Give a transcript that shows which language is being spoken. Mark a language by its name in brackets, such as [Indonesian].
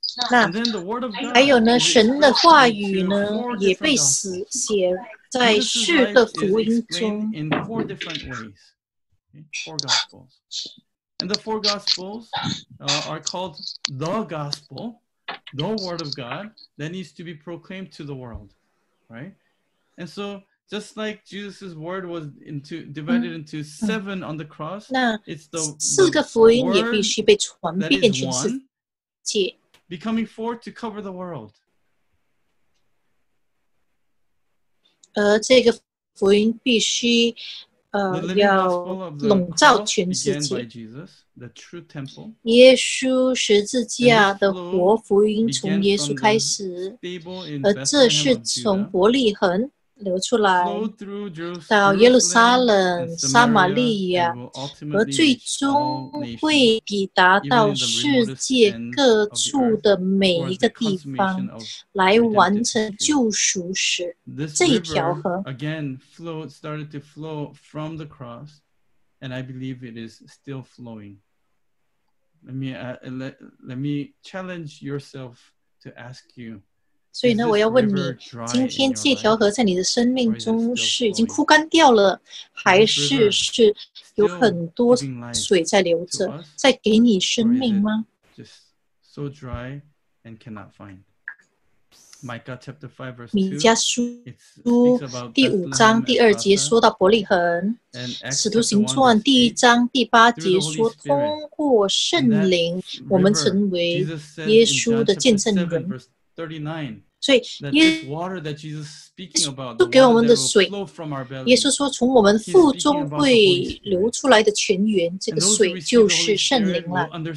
[Chinese] 那还有呢？神的话语呢，也被写在四个福音中。 [English] In four different ways, four gospels, and the four gospels are called the gospel, the word of God that needs to be proclaimed to the world, right? And so, just like Jesus' word was divided into seven on the cross, it's the word that is one, becoming four to cover the world. [Chinese] 而这个福音必须要笼罩全世界。 [English] The true temple, [Chinese] 耶稣十字架的活福音从耶稣开始，而这是从伯利恒。流出来，到耶路撒冷、撒玛利亚，而最终会抵达到世界各处的每一个地方，来完成救赎时这一条河。 [English] Again, flow started to flow from the cross, and I believe it is still flowing. Let me challenge yourself to ask you. [Chinese] 所以呢，我要问你，今天这条河在你的生命中是已经枯干掉了，还是是有很多水在流着，在给你生命吗？ [English] Just so dry and cannot find. Micah chapter 5 verse 2. [Chinese] 米迦书第五章第二节说到伯利恒，使徒行传第一章第八节说，通过圣灵，我们成为耶稣的见证人。 39, 所以耶稣给我们的水，耶稣说从我们腹中会流出来的泉源，这个水就是圣灵了。